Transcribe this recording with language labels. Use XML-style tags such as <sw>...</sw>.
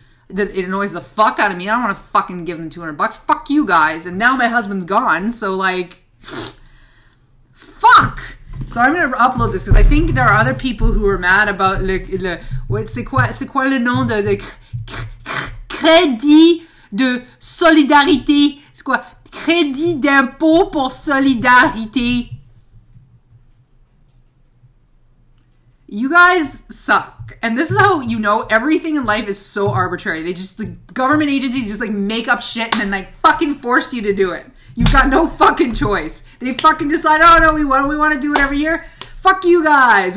<en>It annoys the fuck out of me. I don't wanna fucking give them $200. Fuck you guys. And now my husband's gone. So, like, fuck. So I'm going to upload this because I think there are other people who are mad about le what</en> <fr>c'est quoi le nom de le crédit de solidarité? C'est quoi? Crédit d'impôt pour solidarité.</fr> <en>You guys suck. And this is how everything in life is so arbitrary. The government agencies just like make up shit and then like fucking force you to do it. You've got no fucking choice. They fucking decide, oh no, we want to do it every year. Fuck you guys.</en>